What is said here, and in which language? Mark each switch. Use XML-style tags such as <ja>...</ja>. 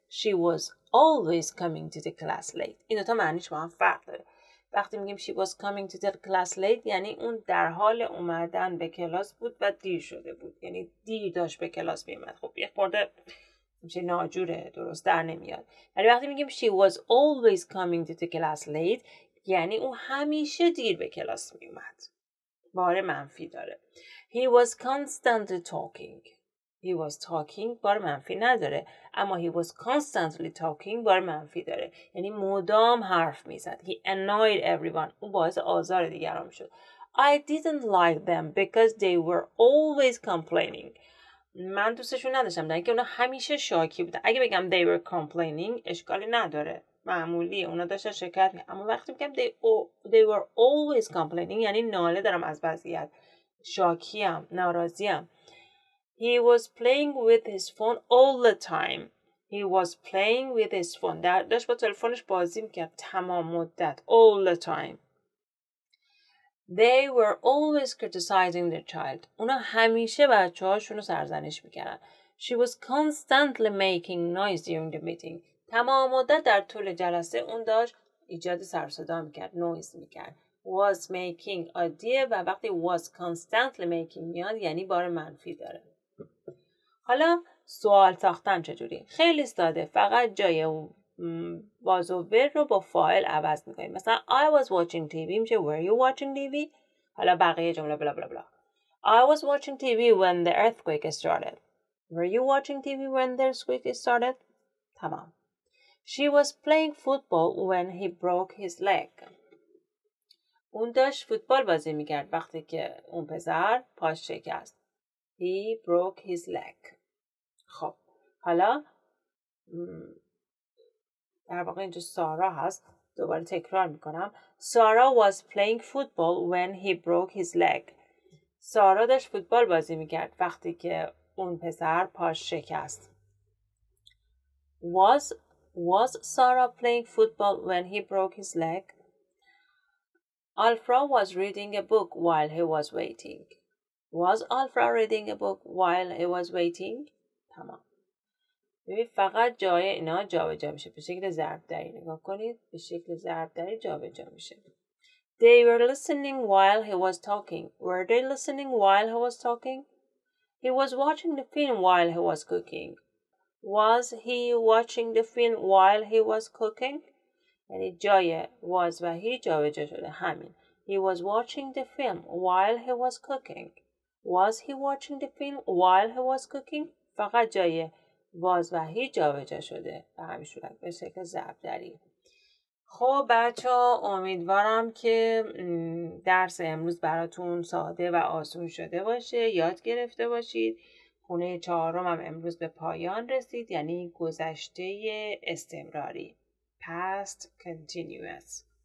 <en>She was always coming to the class late.</en> <fa>این دوتا معنیش با هم فرق داره. وقتی میگیم</fa> <en>she was coming to the class late</en> <fa>یعنی اون در حال اومدن به کلاس بود و دیر شده بود. یعنی دیر داشت به کلاس میامد. خب یه خورده میشه ناجوره، درست در نمیاد. ولی وقتی میگیم</fa> <en>she was always coming to the class late</en> <fa>یعنی اون همیشه دیر به کلاس میامد. بار منفی داره.</fa> <en>He was constantly talking. He was talking</en> <fa>بار منفی نداره. اما</fa> <en>he was constantly talking</en> <fa>بار منفی داره. یعنی مدام حرف میزد.</fa> <en>He annoyed everyone.</en> <fa>او باعث آزار دیگران شد.</fa> <en>I didn't like them because they were always complaining.</en> <fa>من دوستشون نداشتم. در اینکه اونا همیشه شاکی بودن. اگه بگم</fa> <en>they were complaining</en> <fa>اشکالی نداره. معمولیه. اونا داشتن شکایت میکردن. اما وقتی بگم</fa> <en>they were always complaining</en> <fa>یعنی ناله دارم از وضعیت. شاکیم. ناراضیم.</fa> <en>He was playing with his phone all the time. He was playing with his phone.</en> <fa>داشت با تلفنش بازی میکرد تمام مدت.</fa> <en>All the time. They were always criticizing their child.</en> <fa>اونا همیشه بچه هاشون رو سرزنش میکردن.</fa> <en>She was constantly making noise during the meeting.</en> <fa>تمام مدت در طول جلسه اون داشت ایجاد سرصدا میکرد. نویز میکرد.</fa> <en>Was making idea</en> <fa>و وقتی</fa> <en>was constantly making</en> <fa>میاد یعنی بار منفی داره. حالا سوال ساختن چجوری؟ خیلی ساده، فقط جای was و were رو با فاعل عوض میکنیم. مثلا</fa> <en>I was watching TV</en> <fa>میشه</fa> <en>were you watching TV؟</en> <fa>حالا بقیه جمله بلا بلا بلا.</fa> <en>I was watching TV when the earthquake started. Were you watching TV when the earthquake started?</en> <fa>تمام.</fa> <en>She was playing football when he broke his leg.</en> <fa>اون داشت فوتبال بازی میکرد وقتی که اون پسر پاش شکست.</fa> <en>He broke his leg.</en> <fa>خب حالا در واقع اینجا سارا هست. دوباره تکرار میکنم.</fa> <en>سارا was playing football when he broke his leg.</en> <fa>سارا داشت فوتبال بازی میکرد وقتی که اون پسر پاش شکست.</fa> <en>Was Sara playing football when he broke his leg? Alfra was reading a book while he was waiting. Was Alfra reading a book while he was waiting?</en> <fa>تمام. ببین فقط جای اینا جا به جا میشه. به شکل ضربدری نگاه کنید. به شکل ضربدری جا به جا میشه.</fa> <en>They were listening while he was talking. Were they listening while he was talking? He was watching the film while he was cooking. Was he watching the film while he was cooking?</en> <fa>یعنی جای was و he جا به جا شده همین.</fa> <en>He was watching the film while he was cooking. Was he watching the film while he was cooking?</en> <fa>فقط جای was و he جا به جا شده به همین شکل به شکل ضرب دری. خب بچه ها امیدوارم که درس امروز براتون ساده و آسون شده باشه، یاد گرفته باشید. خونه چهارم هم امروز به پایان رسید، یعنی گذشته استمراری، past continuous.</fa>